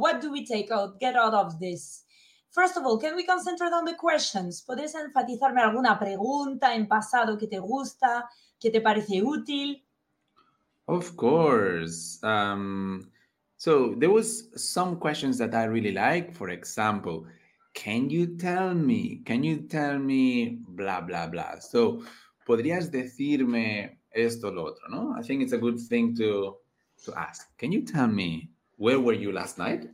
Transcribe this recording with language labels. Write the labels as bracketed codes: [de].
[en] What do we take out, get out of this? First of all, can we concentrate on the questions? [es] ¿Podrías enfatizarme alguna pregunta en pasado que te gusta, que te parece útil? [en] Of course. So there was some questions that I really like. For example, can you tell me blah, blah, blah. [es] So, ¿podrías decirme esto o lo otro, no? [en] I think it's a good thing to ask. Can you tell me where were you last night?